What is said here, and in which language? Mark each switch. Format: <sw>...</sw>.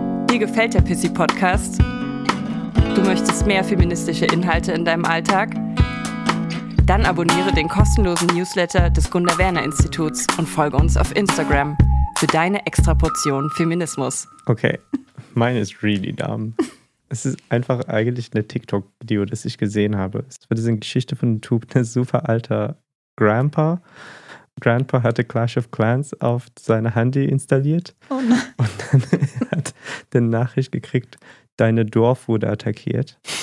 <de>Dir gefällt der Pissy-Podcast? Du möchtest mehr feministische Inhalte in deinem Alltag? Dann abonniere den kostenlosen Newsletter des Gunda-Werner-Instituts und folge uns auf Instagram für deine Extraportion Feminismus.</de> <en>Okay, mine is really dumb.</en> <de>Es ist einfach eigentlich ein TikTok-Video, das ich gesehen habe. Es war diese Geschichte von einem Typ, ein super alter Grandpa. Grandpa hatte Clash of Clans auf seine Handy installiert. Oh nein. Und dann hat die Nachricht gekriegt, deine Dorf wurde attackiert.</de>